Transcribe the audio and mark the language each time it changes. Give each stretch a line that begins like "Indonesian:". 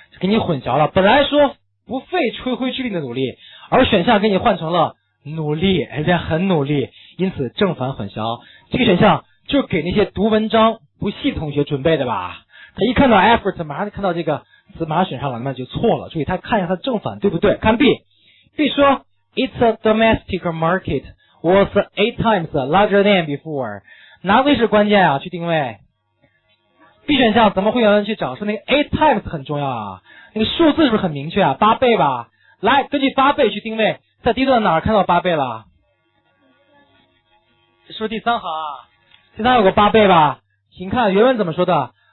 Chinese: 给你混淆了，本来说不费吹灰之力的努力，而选项给你换成了努力，人家很努力，因此正反混淆。这个选项就给那些读文章不细的同学准备的吧。他一看到 effort， 马上看到这个词，马上选上了，那就错了。注意，他看一下他正反对不对？看 B，B 说
English: it's a domestic market was eight times larger than before。
Chinese: 哪位是关键啊？去定位。 B 选项怎么会有人去找？说那个
English: eight times
Chinese: 很重要啊，那个数字是不是很明确啊？八倍吧。来，根据八倍去定位。在第一段哪儿看到八倍了？是不是第三行啊？第三有个八倍吧？请看原文怎么说的？